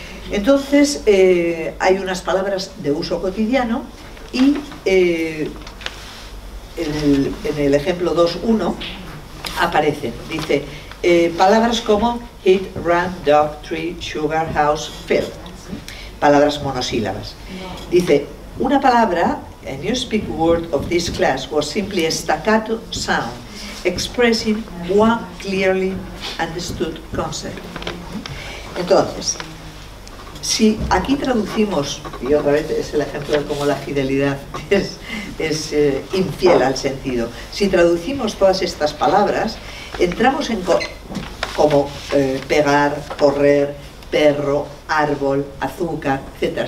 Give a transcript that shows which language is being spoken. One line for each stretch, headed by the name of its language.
Spanish: Entonces, hay unas palabras de uso cotidiano y en el ejemplo 2.1 aparecen, dice, palabras como
English: hit, run, dog, tree, sugar, house, fill.
Spanish: Palabras monosílabas. Dice, una palabra,
English: a newspeak word of this class, was simply a staccato sound expressing one clearly understood concept.
Spanish: Entonces, si aquí traducimos, y otra vez es el ejemplo de cómo la fidelidad es infiel al sentido, si traducimos todas estas palabras, entramos en como pegar, correr, perro, árbol, azúcar, etc.